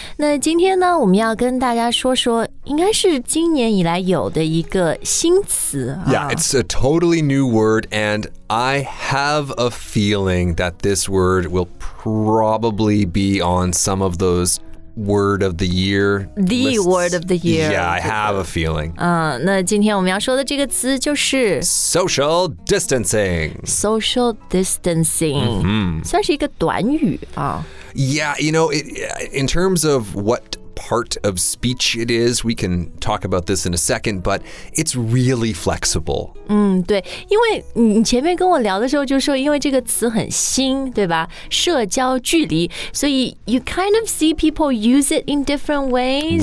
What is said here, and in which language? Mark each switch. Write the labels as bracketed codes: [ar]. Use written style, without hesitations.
[zh] 那今天呢，我们要跟大家说说，应该是今年以来有的一个新词。 [en] Yeah, it's a totally new word, and I have a feeling that this word will probably be on some of those word of the year. The、lists. word of the year. Yeah, I have a feeling. [zh] 那今天我们要说的这个词就是 [en] social distancing. Social distancing.、 Mm-hmm. [zh] 算是一个短语、 [en] Yeah, you know, in terms of what part of speech it is, we can talk about this in a second, but it's really flexible. [zh] 对，因为你前面跟我聊的时候就说，因为这个词很新，对吧？社交距离，所以 [en] you kind of see people use it in different ways.